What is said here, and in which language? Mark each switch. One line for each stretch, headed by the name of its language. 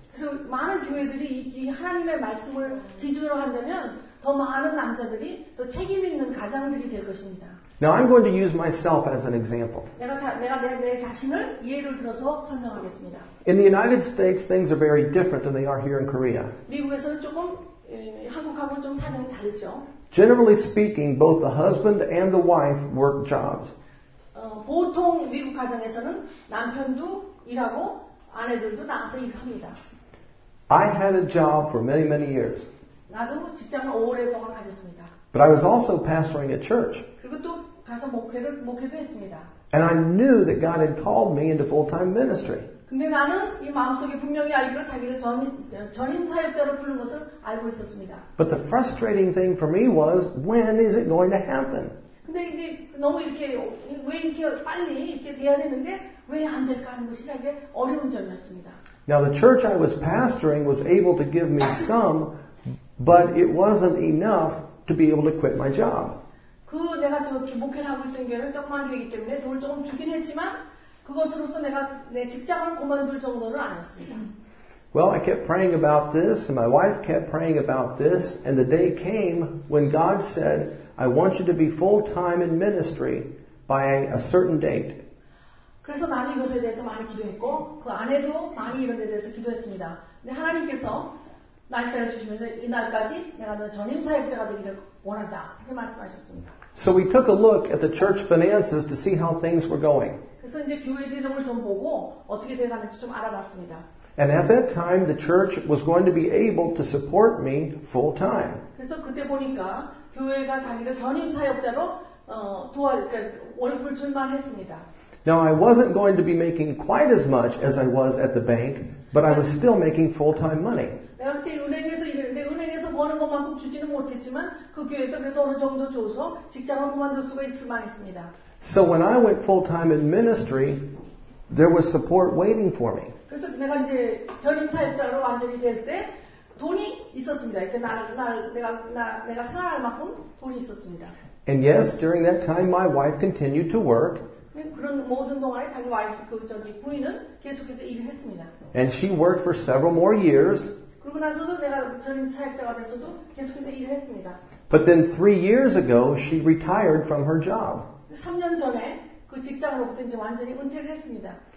Korean: 그래서 많은 교회들이 이 하나님의 말씀을 기준으로 한다면 더 많은 남자들이 또 책임 있는 가장들이 될 것입니다.
English: Now I'm going to use myself as an example.
Korean: 내 자신을 예를 들어서 설명하겠습니다.
English: In the United States, things are very different than they are here in Korea.
Korean: 미국에서는 조금 한국하고 좀 사정이 다르죠.
English: Generally speaking, both the husband and the wife work jobs.
Korean: 보통 미국 가정에서는 남편도 일하고 아내들도 나가서 일합니다.
English: I had a job for many, many years.
Korean: 나도 직장을 오랫동안 가졌습니다.
English: But I was also pastoring a church.
Korean: 그리고 또 가서 목회도 했습니다.
English: And I knew that God had called me into full-time ministry.
Korean: 근데 나는 이 마음속에 분명히 알기로 자기를 전임 사역자로 부른 것을 알고 있었습니다.
English: But the frustrating thing for me was, when is it going to happen?
Korean: 근데 이제 너무 이렇게 왜 이렇게 빨리 이렇게 돼야 되는데 왜 안 될까 하는 것이 되게 어려운 점이었습니다.
English: Now the church I was pastoring was able to give me some, but it wasn't enough to be able to quit my job.
Korean: 그 내가 저렇게 목회를 하고 있던 교회는 조그만 교회이기 때문에 돈을 조금 주긴 했지만 그것으로서 내가 내 직장을 그만둘 정도는 아니었습니다.
English: Well, I kept praying about this, and my wife kept praying about this, and the day came when God said, I want you to be full-time in ministry by a certain date.
Korean: 그래서 나는 이것에 대해서 많이 기도했고, 그 아내도 많이 이런 데 대해서 기도했습니다. 근데 하나님께서 날짜를 주시면서 이날까지 내가 너 전임 사역자가 되기를 원한다. 이렇게 말씀하셨습니다.
English: So we took a look at the church finances to see how things were going.
Korean: 그래서 이제 교회 재정을 좀 보고 어떻게 되는지 좀 알아봤습니다.
English: And at that time, the church was going to be able to support me full-time.
Korean: 그래서 그때 보니까 교회가 자기를 전임 사역자로 월급을 준만 했습니다.
English: Now, I wasn't going to be making quite as much as I was at the bank, but I was still making full-time money.
Korean: 내가 그때 은행에서 일했는데 은행에서 버는 것만큼 주지는 못했지만 그 교회에서 그래도 어느 정도 줘서 직장을 그만둘 수가 있을 만했습니다.
English: So when I went full-time in ministry, there was support waiting for me.
Korean: 그래서 내가 이제 전임 사역자로 완전히 될 때 돈이 있었습니다. 이때 내가 살아갈 만큼 돈이 있었습니다.
English: And yes, during that time, my wife continued to work.
Korean: 그런 모든 동안에 자기 와이프 부인은 계속해서 일을 했습니다.
English: And she worked for several more years.
Korean: 그러고 나서도 내가 전임 사역자가 됐어도 계속해서 일을 했습니다.
English: But then 3 years ago, she retired from her job.
Korean: 3년 전에 그 직장으로부터 이제 완전히 은퇴를 했습니다.